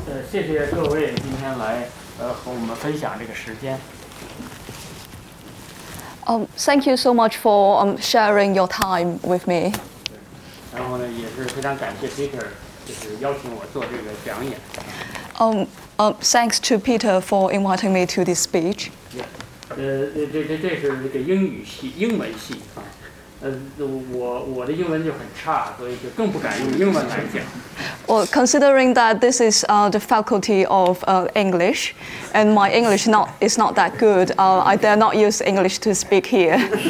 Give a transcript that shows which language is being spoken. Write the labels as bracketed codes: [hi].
[zh] 谢各位今天来和我们分享这个时间。 [en] Thank you so much for sharing your time with me. [zh] 然后呢，也是非常感谢 Peter， 就是邀请我做这个讲演。 [en] Thanks to Peter for inviting me to this speech. [zh] 这是这个英语系英文系啊。我的英文就很差，所以就更不敢用英文来讲。 [en] Well, considering that this is the faculty of English, and my English is not that good, I dare not use English to speak here.